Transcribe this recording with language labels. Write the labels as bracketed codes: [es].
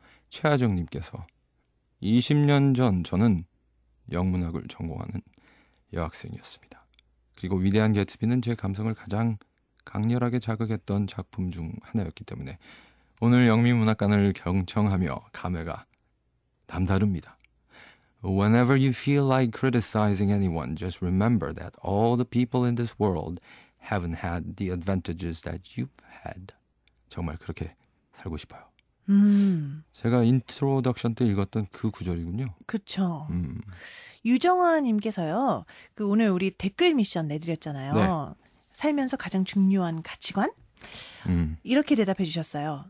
[ko] 최하정님께서 20년 전 저는 영문학을 전공하는 여학생이었습니다. 그리고 위대한 게츠비는 제 감성을 가장 강렬하게 자극했던 작품 중 하나였기 때문에 오늘 영미문학관을 경청하며 감회가 남다릅니다. [en] Whenever you feel like criticizing anyone, just remember that all the people in this world haven't had the advantages that you've had. [ko] 정말 그렇게 살고 싶어요. 제가 인트로덕션 때 읽었던 그 구절이군요. 그렇죠. 유정화님께서요. 그 오늘 우리 댓글 미션 내드렸잖아요. 네. 살면서 가장 중요한 가치관? 이렇게 대답해 주셨어요.